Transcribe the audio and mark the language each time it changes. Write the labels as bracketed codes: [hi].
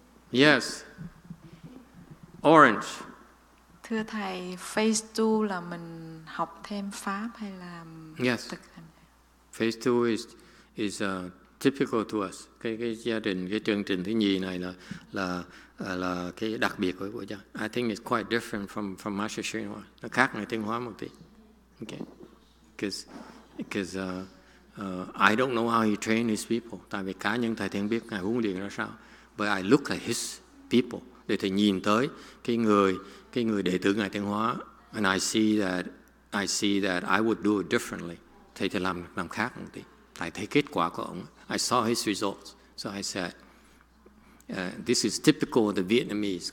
[en] Yes. Orange. [vi] Thưa thầy, phase 2 là mình học thêm pháp hay là [en] yes. [vi] Thực hành? [en] Phase 2 is typical to us. [vi] Cái gia đình, cái chương trình thứ nhì này là cái đặc biệt của cha. [en] I think it's quite different from Master Shenhua. [vi] Nó khác người Tinh Hoa một tí. [en] Okay. Because I don't know how he trained his people. [vi] Tại vì cá nhân thầy thì không biết ngài huấn luyện ra sao. [en] But I look at his people. [vi] Để thầy nhìn tới cái người đệ tử ngài Tinh Hóa, [en] and I see that I would do it differently. [vi] Thầy thì làm khác một tí. Tại thấy kết quả của ông, [en] I saw his results, so I said, this is typical of the Vietnamese.